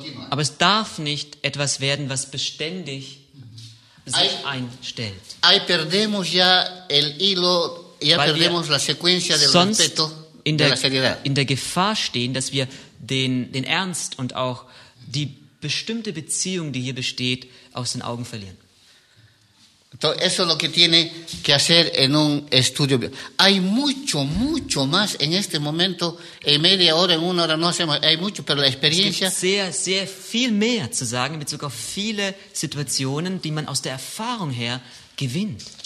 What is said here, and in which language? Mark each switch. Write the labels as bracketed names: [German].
[German] Aber es darf nicht etwas werden, was beständig sich einstellt. Weil wir sonst in der Gefahr stehen, dass wir den Ernst und auch die bestimmte Beziehung, die hier besteht, aus den Augen verlieren. [Spanish] Eso es lo que tiene que hacer en un estudio. Hay mucho, mucho más en este momento, en media hora, en una hora, no hacemos, hay mucho, pero la experiencia... [German] Es gibt sehr, sehr viel mehr zu sagen in Bezug auf viele Situationen, die man aus der Erfahrung her gewinnt.